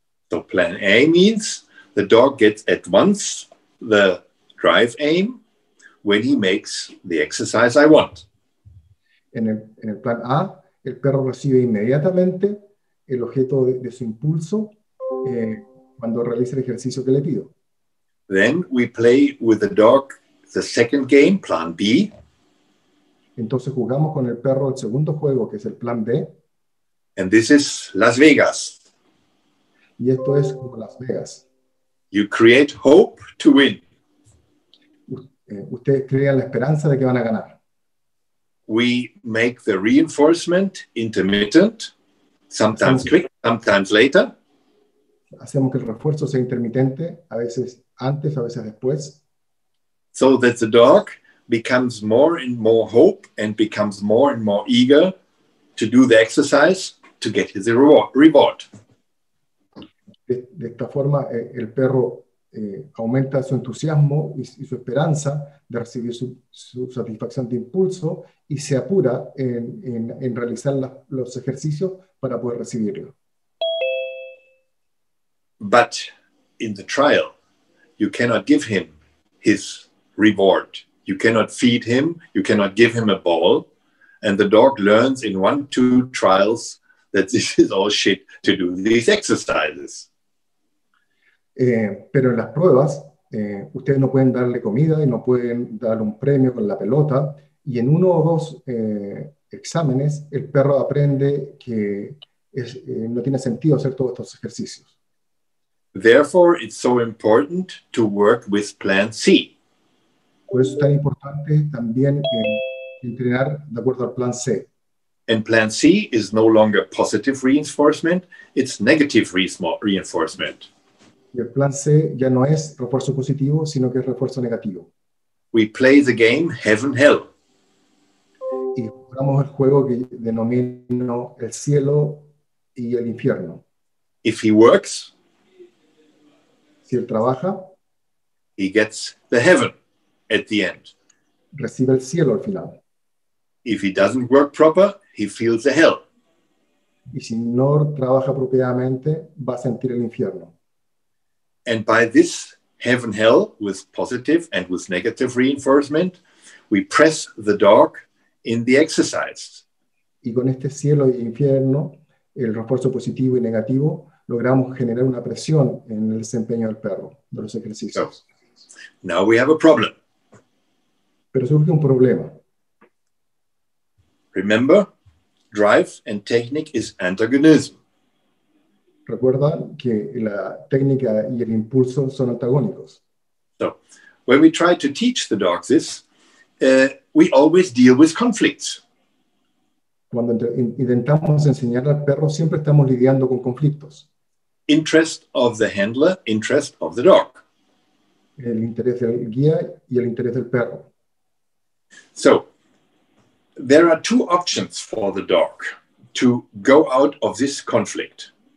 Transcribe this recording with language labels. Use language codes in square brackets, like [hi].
[en] So plan A means the dog gets at once the drive aim when he makes the exercise I want. [es] En el plan A, el perro recibe inmediatamente el objeto de su impulso cuando realiza el ejercicio que le pido. [en] Then we play with the dog the second game, plan B. [es] Entonces jugamos con el perro el segundo juego, que es el plan B. [en] And this is Las Vegas. [es] Y esto es como Las Vegas. [en] You create hope to win. [es] Ustedes crean la esperanza de que van a ganar. [en] We make the reinforcement intermittent, sometimes quick, sometimes later. [es] Hacemos que el refuerzo sea intermitente, a veces antes, a veces después. [en] So that the dog becomes more and more hope and becomes more and more eager to do the exercise to get his reward. [es] De esta forma, el perro aumenta su entusiasmo y su esperanza de recibir su satisfacción de impulso y se apura en realizar los ejercicios para poder recibirlo. [en] But in the trial, you cannot give him his reward. You cannot feed him. You cannot give him a ball. And the dog learns in one, two trials that this is all shit to do these exercises. [es] Pero en las pruebas, ustedes no pueden darle comida y no pueden dar un premio con la pelota. Y en uno o dos exámenes, el perro aprende que no tiene sentido hacer todos estos ejercicios. [en] Therefore, it's so important to work with plan C. [es] Por eso es tan importante también entrenar de acuerdo al plan C. [en] And plan C is no longer positive reinforcement, it's negative reinforcement. [es] Y el plan C ya no es refuerzo positivo, sino que es refuerzo negativo. [en] We play the game heaven hell. [es] Y jugamos el juego que denomino el cielo y el infierno. [en] If he works, [es] si él trabaja, [en] he gets the heaven at the end. [es] Recibe el cielo al final. [en] If he doesn't work proper, he feels the hell. [es] y si no trabaja apropiadamente, va a sentir el infierno. [en] And by this heaven hell with positive and with negative reinforcement, we press the dog in the exercise. [es] Y con este cielo e infierno, el refuerzo positivo y negativo, logramos generar una presión en el desempeño del perro, de los ejercicios. [en] So, now we have a problem. [es] Pero surge un problema. [en] Remember, drive and technique is antagonism. [es] Recuerda que la técnica y el impulso son antagónicos. [en] So, when we try to teach the dog this, we always deal with conflicts. [es] Cuando intentamos enseñar al perro, siempre estamos lidiando con conflictos. [en] Interest of the handler, interest of the dog. [es] El interés del guía y el interés del perro. [en] So, there are two options for the dog to go out of this conflict.